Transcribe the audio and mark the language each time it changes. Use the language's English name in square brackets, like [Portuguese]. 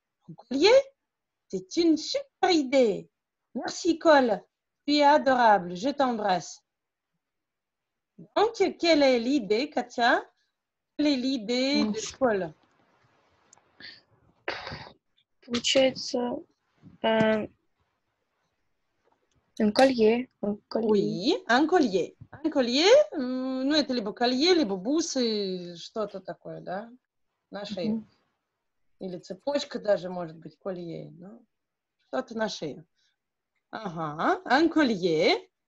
[French] Un collier? C'est une super idée. Merci, Cole. Tu es adorable. Je t'embrasse. Donc, quelle est l'idée, Katia? Quelle est l'idée de Cole? Получается, un collier. Oui, un collier. Un collier, nous, c'est [Russian] либо collier, либо бусы, что-то такое, да? На шею. Или цепочка даже может быть collier. Но... Что-то на шею. [French] Ага, un collier.